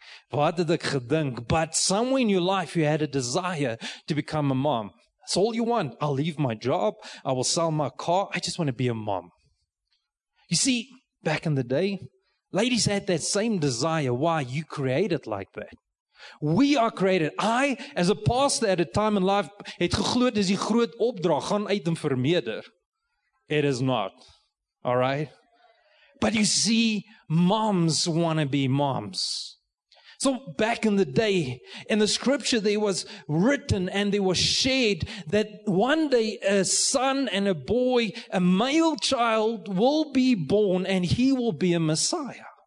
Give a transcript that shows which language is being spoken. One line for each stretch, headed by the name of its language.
Afrikaans: Wat het ek gedink?
English: But somewhere in your life, you had a desire to become a mom. That's all you want. I'll leave my job. I will sell my car. I just want to be a mom. You see, back in the day, ladies had that same desire. Why? You created like that. We are created. I, as a pastor at a time in life,
Afrikaans: het geglo dis die groot opdrag, gaan uit en vermeerder.
English: It is not. All right? But you see, moms want to be moms. So back in the day, in the scripture, there was written and there was shared that one day a son and a boy, a male child, will be born and he will be a Messiah.